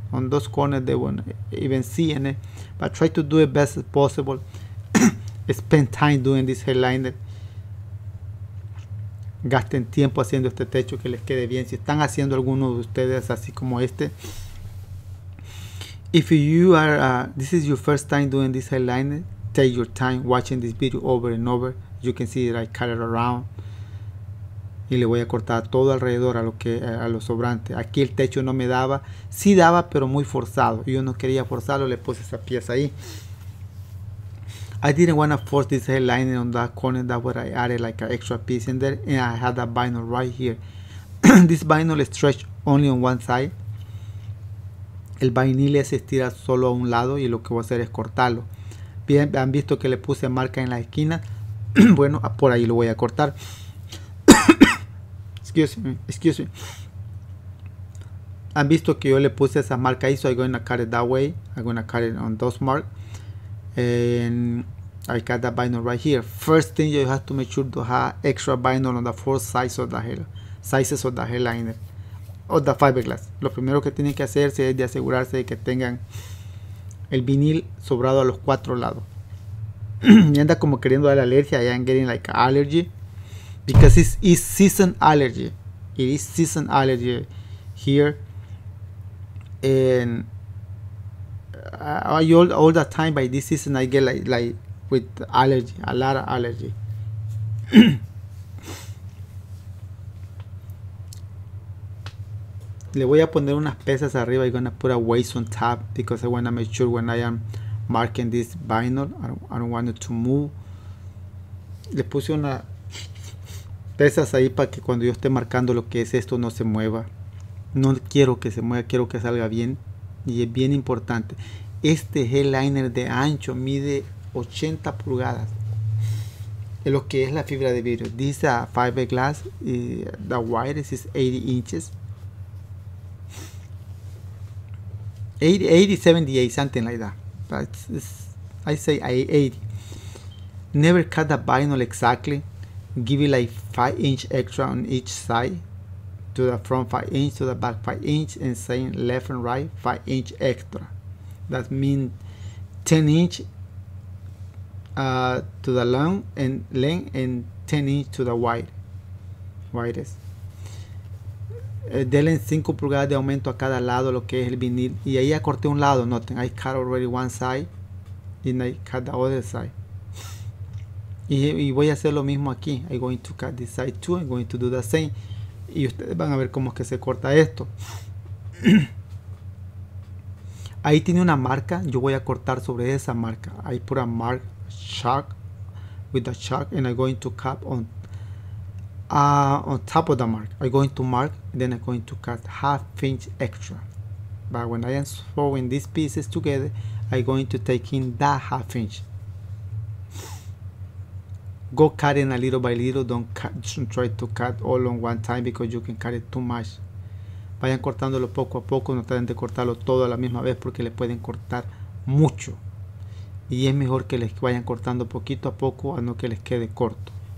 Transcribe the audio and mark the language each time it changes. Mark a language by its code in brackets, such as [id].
[en] On those corners, they won't even see any. But try to do it best as possible. Spend time doing this headline. [es] Gasten tiempo haciendo este techo que les quede bien. Si están haciendo alguno de ustedes así como este. [en] If you are, this is your first time doing this headline, take your time watching this video over and over. You can see that I cut it around. [es] Y le voy a cortar todo alrededor a lo que a lo sobrante. Aquí el techo no me daba, sí daba, pero muy forzado. Yo no quería forzarlo, le puse esa pieza ahí. [en] I didn't want to force this headliner on that corner. That's where I added like an extra piece in there. And I had that vinyl right here. This vinyl stretched only on one side. [es] El vinil se estira solo a un lado y lo que voy a hacer es cortarlo. Bien, han visto que le puse marca en la esquina. Bueno, por ahí lo voy a cortar. [en] Excuse me. [es] Han visto que yo le puse esa marca ahí, [en] so I'm going to cut it that way. I'm going to cut it on those marks. And I cut that vinyl right here. First thing, you have to make sure to have extra vinyl on the four sides of the sizes of the headliner or the fiberglass. [es] Lo primero que tienen que hacerse es de asegurarse de que tengan el vinil sobrado a los cuatro lados. Y anda como queriendo dar alergia. [en] I'm getting like an allergy. Because it's season allergy. It is season allergy here. And all the time by this season I get like with allergy, a lot of allergy. [es] Le voy a poner unas pesas arriba. [en] I'm gonna put a weight on top because I wanna make sure when I am marking this vinyl, I don't want it to move. [es] Le puse una pesas ahí para que cuando yo esté marcando lo que es esto no se mueva. No quiero que se mueva, quiero que salga bien. Y es bien importante. Este headliner de ancho mide 80 pulgadas. Es lo que es la fibra de vidrio. [en] Dice fiberglass, the widest is 80 inches. 80, 78, something like that. But I say 80. Never cut the vinyl exactly. Give it like 5 inches extra on each side. To the front 5 inches, to the back 5 inches, and saying left and right 5 inches extra. That means 10 inches to the long and length and 10 inches to the wide. Widest. [es] Denle 5 pulgadas de aumento a cada lado lo que es el vinil. Y ahí ya corté un lado, noten. [en] I cut already one side and I cut the other side. [es] Y voy a hacer lo mismo aquí. [en] I'm going to cut this side too. I'm going to do the same. [es] Y ustedes van a ver cómo es que se corta esto. Ahí tiene una marca. Yo voy a cortar sobre esa marca. [en] I put a mark chalk with the chalk. And I'm going to cut on top of the mark. I'm going to mark. Then I'm going to cut half inch extra. But when I am sewing these pieces together, I'm going to take in that half inch. Go cutting a little by little. Don't try to cut all on one time because you can cut it too much. [es] Vayan cortándolo poco a poco. No traten de cortarlo todo a la misma vez porque le pueden cortar mucho. Y es mejor que les vayan cortando poquito a poco a no que les quede corto.